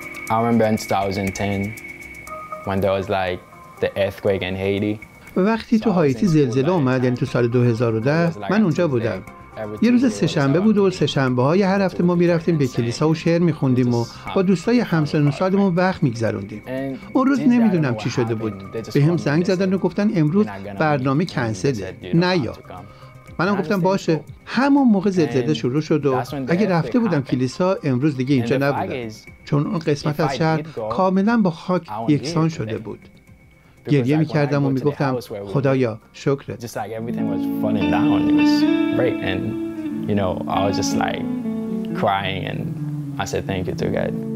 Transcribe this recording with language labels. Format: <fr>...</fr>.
<en>I remember in 2010 when there was like the earthquake in Haiti.</en> <fa>وقتی تو هایتی زلزله اومد، یعنی تو سال 2010، من اونجا بودم. یه روز سه‌شنبه بود و سه‌شنبه‌های هر هفته ما می‌رفتیم به کلیسا و شعر می‌خوندیم و با دوستای همسن و سالمون وقت می‌گذروندیم. اون روز نمی‌دونم چی شده بود. به هم زنگ زدن و گفتن امروز برنامه کنسله، نیا. منم گفتم باشه. همون موقع زلزله شروع شد و اگه رفته بودم کلیسا، امروز دیگه اینجا نبودم. چون اون قسمت از شهر کاملاً با خاک یکسان شده بود. گریه می کردم و می گفتم خدایا شکرت.</fa> <en>Just like everything was falling down, it was great, and you know I was just like crying and I said thank you to God.</en>